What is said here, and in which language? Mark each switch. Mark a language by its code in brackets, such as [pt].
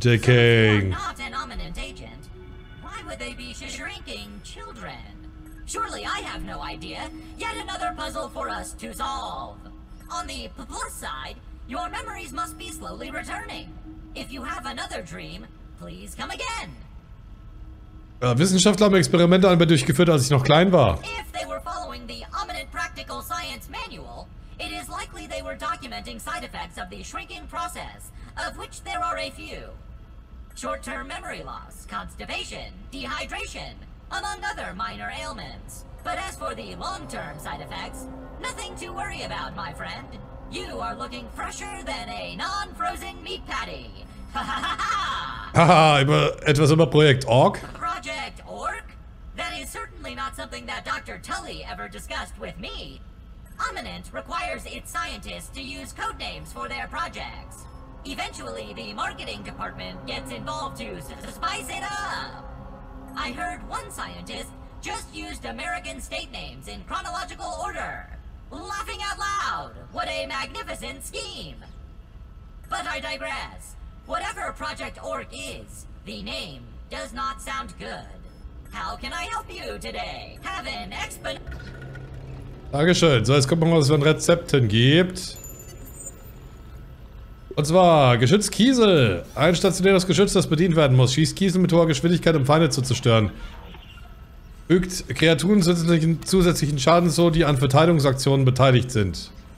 [en] So if you are not an Ominent agent, why would they be shrinking children? Surely I have no idea. Yet another puzzle for us to solve. On the plus side, your memories must be slowly returning. If you have another dream, please come again. [de] Wissenschaftler haben Experimente an mir durchgeführt, als ich noch klein war. [en] If they were following the Ominent Practical Science Manual, it is likely they were documenting side effects of the shrinking process, of which there are a few. Short-term memory loss, constipation, dehydration, among other minor ailments. But as for the long-term side effects, nothing to worry about, my friend. You are looking fresher than a non-frozen meat patty. Ha ha ha ha! Haha, [de] etwas über Projekt Ork? [en] Project Ork? That is certainly not something that Dr. Tully ever discussed with me. Ominent requires its scientists to use code names for their projects. Eventually, the marketing department gets involved to spice it up. I heard one scientist just used American state names in chronological order. Laughing out loud! What a magnificent scheme! But I digress. Whatever Project Ork is, the name does not sound good. How can I help you today? Have an expert. [de] Dankeschön. So, jetzt gucken wir mal, was es für ein Rezept gibt. Und zwar, geschützt Kiesel. Ein stationäres Geschütz, das bedient werden muss. Schießt Kiesel mit hoher Geschwindigkeit, um Feinde zu zerstören. Fügt Kreaturen zusätzlichen Schaden zu, die an Verteidigungsaktionen beteiligt sind.